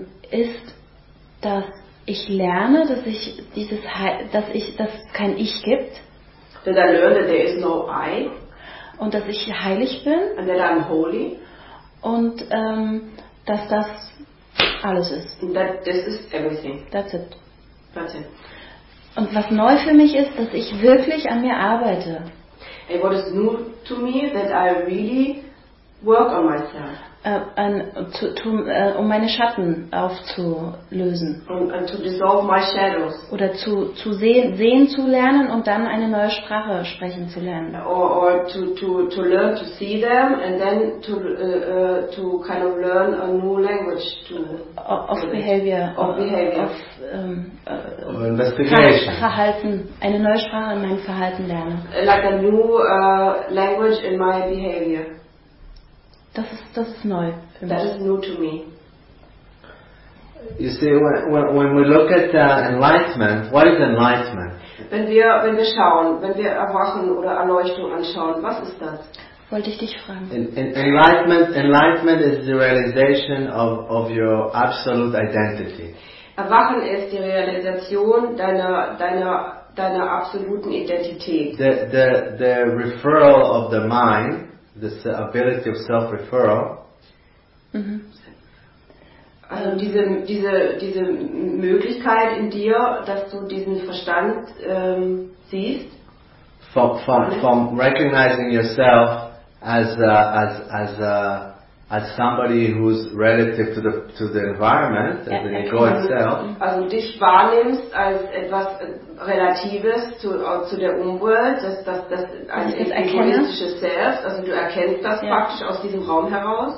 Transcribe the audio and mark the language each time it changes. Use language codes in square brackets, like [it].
[de] ist, dass ich lerne, dass ich dieses, dass kein Ich gibt. [en] That I learn that there is no I. [de] Und dass ich heilig bin. [en] And that I'm holy. [de] Und dass das alles ist. [en] And that this is everything. That's it. That's it. [de] Und was neu für mich ist, dass ich wirklich an mir arbeite. [en] And what is new to me that I really work on myself. [de] Um meine Schatten aufzulösen. [en] And to dissolve my shadows. [de] Oder zu sehen zu lernen und dann eine neue Sprache sprechen zu lernen. [en] Or to learn to see them and then to kind of learn a new language to of behavior. Of behavior. Of, investigation. [de] Verhalten, eine neue Sprache in meinem Verhalten lernen. [en] Like a new language in my behavior. [de] Das ist neu für [en] mich. That is new to me. You see, when we look at enlightenment, what is enlightenment? [de] Wenn wir erwachen oder Erleuchtung anschauen, was ist das? Wollte ich dich fragen. [en] Enlightenment is the realization of your absolute identity. [de] Erwachen ist die Realisation deiner absoluten Identität. [en] The referral of the mind. This ability of self-referral. Mm-hmm. [de] Also diese Möglichkeit in dir, dass du diesen Verstand siehst. [en] From recognizing yourself as somebody who's relative to the environment, as the ego itself. [de] Also dich wahrnimmst als etwas Relatives zu der Umwelt, das als egoistisches Self, also du erkennst das praktisch aus diesem Raum heraus.